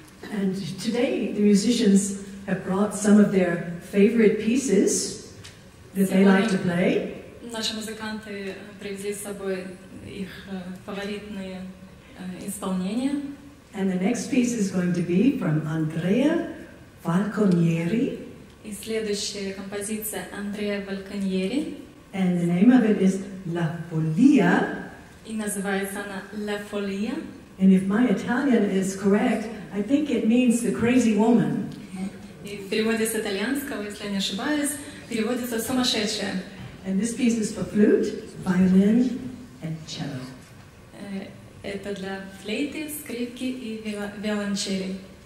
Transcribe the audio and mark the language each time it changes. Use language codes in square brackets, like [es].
[en] The musicians have brought some of their favorite pieces that they like to play. [ru] Наши музыканты привезли с собой их фаворитные исполнения. [en] And the next piece is going to be from Andrea Falconieri. [ru] И следующая композиция Андреа Фальконьери. [en] And the name of it is La Follia. [ru] И называется она La Follia. [en] And if my Italian is correct, I think it means the crazy woman. [ru] В переводе с итальянского, если я не ошибаюсь, переводится сумасшедшая. [en] And this piece is for flute, violin, and cello. [ru] Это для флейты, скрипки и виолончели.